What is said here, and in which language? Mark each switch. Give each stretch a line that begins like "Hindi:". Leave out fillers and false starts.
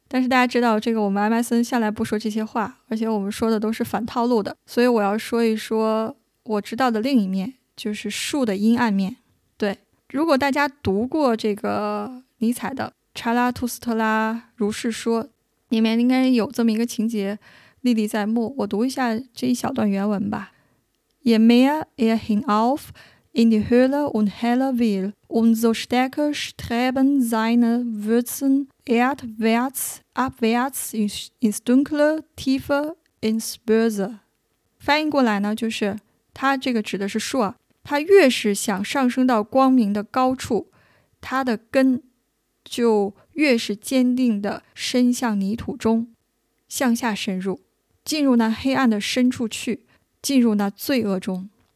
Chinese: 但是大家知道这个我们 MSN 向来不说这些话，而且我们说的都是反套路的，所以我要说一说我知道的另一面，就是树的阴暗面。对，如果大家读过这个尼采的查拉图斯特拉如是说，里面应该有这么一个情节历历在目，我读一下这一小段原文吧。
German: Je mehr er hinauf in die Höhle und Helle will, umso stärker streben seine Wurzeln erdwärts, abwärts ins Dunkle, tiefer ins Böse.
Chinese: 翻译过来呢，就是他这个指的是树啊，他越是想上升到光明的高处，他的根就越是坚定地伸向泥土中，向下深入，进入那黑暗的深处去，进入那罪恶中。